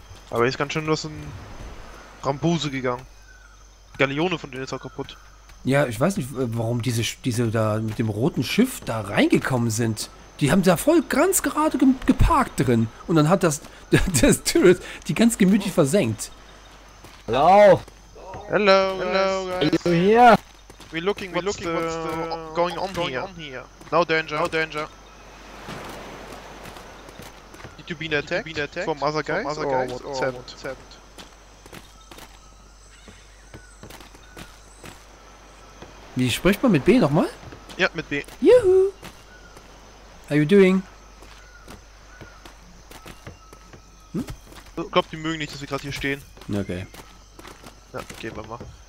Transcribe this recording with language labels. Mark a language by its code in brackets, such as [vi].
[de] Aber ist ganz schön was in Rambuse gegangen. Die Galeone von denen ist auch kaputt. Ja, ich weiß nicht, warum diese da mit dem roten Schiff da reingekommen sind. Die haben da voll ganz gerade geparkt drin. Und dann hat das Turret die ganz gemütlich versenkt. Hallo! [en] Hello, guys! Are you here? We're looking what's going on here. No danger. Did you been attacked? From other guys? From other guys, or what's happened? [de] Wie spricht man mit B nochmal? Ja, mit B. [en] Juhu! How are you doing? [de] Ich glaube, die mögen nicht, dass wir gerade hier stehen. Okay. Ja, gehen wir mal.